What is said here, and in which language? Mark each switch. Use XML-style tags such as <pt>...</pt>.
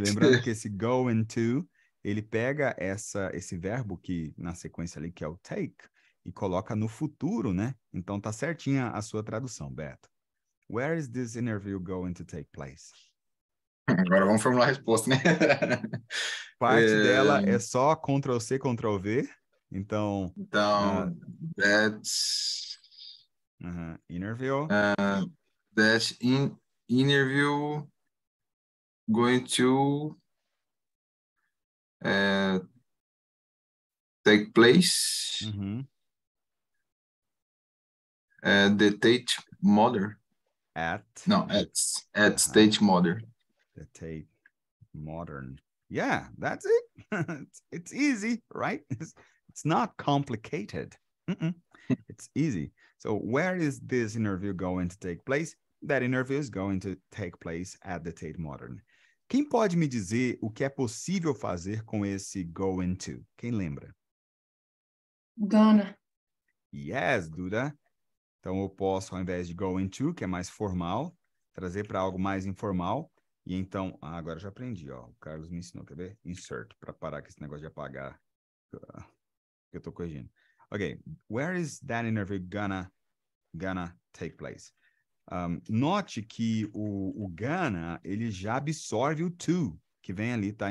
<pt>Lembrando que esse going to, ele pega esse verbo que na sequência ali, que é o take, e coloca no futuro, né? Então tá certinha a sua tradução, Beto.</pt> <en>Where is this interview going to take place?</en> <pt>Agora vamos formular a resposta, né? Parte dela é só Ctrl-C, Ctrl-V. Então, that's...</pt> <en>Interview. That interview going to take place at the Tate Modern. Tate Modern. The Tate Modern. Yeah, that's it. It's easy, right? It's not complicated. Mm-mm. It's easy. So where is this interview going to take place? That interview is going to take place at the Tate Modern.</en> <pt>Quem pode me dizer o que é possível fazer com esse going to? Quem lembra?</pt> <en>Gonna. Yes, Duda.</en> <pt>Então eu posso, ao invés de going to, que é mais formal, trazer para algo mais informal. E então, agora já aprendi, ó. O Carlos me ensinou, quer ver? Insert, para parar com esse negócio de apagar. Eu tô corrigindo.</pt> <en>Okay, where is that interview gonna take place?</en> <pt>Note que o gonna, ele já absorve o to, que vem ali, tá?</pt>